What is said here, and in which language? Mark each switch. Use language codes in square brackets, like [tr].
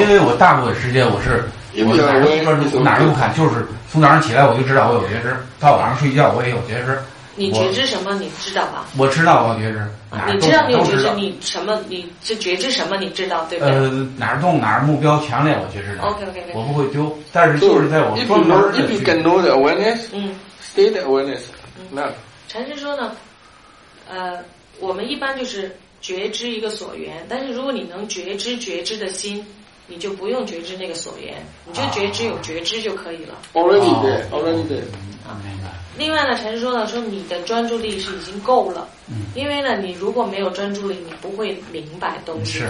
[zh] 因为我大部分时间我哪儿都看，从哪儿都看，就是从早上起来我就知道我有觉知，到晚上睡觉我也有觉知。你觉知什么？你知道吧？我知道我觉知。你知道你有觉知，你什么？你是觉知什么？你知道对吧？哪儿动哪儿目标强烈，我觉知的。 [en] OK OK。 [zh] 我不会丢，但是就是在我专注的。 [en] If you can know the awareness, stay the awareness. [zh] 禅师说呢，我们一般就是觉知一个所缘，但是如果你能觉知的心，你就不用觉知那个所缘，你就觉知有觉知就可以了。 [en] Already there. [zh] 另外呢，禅师说呢，说你的专注力是已经够了，因为呢，你如果没有专注力，你不会明白东西。